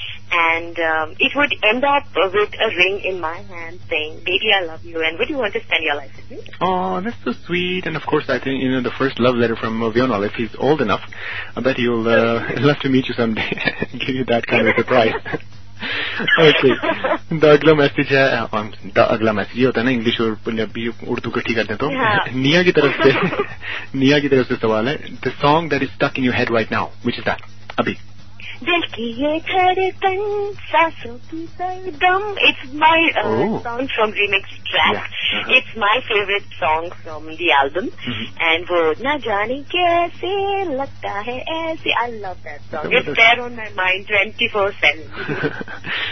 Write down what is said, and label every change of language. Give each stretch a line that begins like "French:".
English: And it would end up with a ring in my hand saying, baby, I love you, and would you want to spend your life with me? Oh, that's so sweet. And of course, I think, you know, the first love letter from Vionel, if he's old enough, I bet he'll love to meet you someday and give you that kind of surprise. Okay the अगला message है, the अगला message
Hindi: ये होता है ना English और पंजाबी उर्दू इकट्ठी करते हैं, तो निया की तरफ से, निया की तरफ से सवाल है,
English: the song that is stuck in your head right now, which is that, अभी the song that is
Hindi: Dil ki ye dhadkan saanson ki dardam.
English: It's my song from Remix Track. Yeah. Uh-huh. It's my favorite song from the album. Mm-hmm. And
Hindi: wo na jaane kaise lagta hai aise.
English: I love that song. It's there on my mind 24/7.